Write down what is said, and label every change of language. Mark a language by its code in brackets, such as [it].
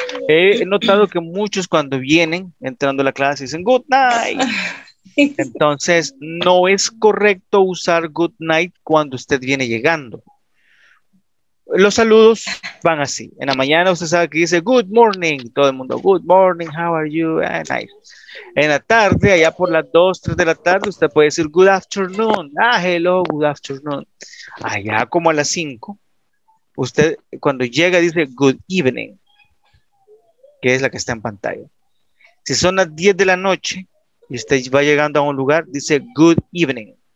[es] He notado que muchos cuando vienen entrando a la clase dicen good night. Entonces, no es correcto usar good night cuando usted viene llegando. Los saludos van así. En la mañana usted sabe que dice good morning. Todo el mundo, [en] good morning, how are you? Nice. [es] En la tarde, allá por las 2, 3 de la tarde, usted puede decir good afternoon. Ah, [en] hello, good afternoon. [es] Allá como a las 5, usted cuando llega dice good evening, que es la que está en pantalla. Si son las 10 de la noche y usted va llegando a un lugar, dice good evening.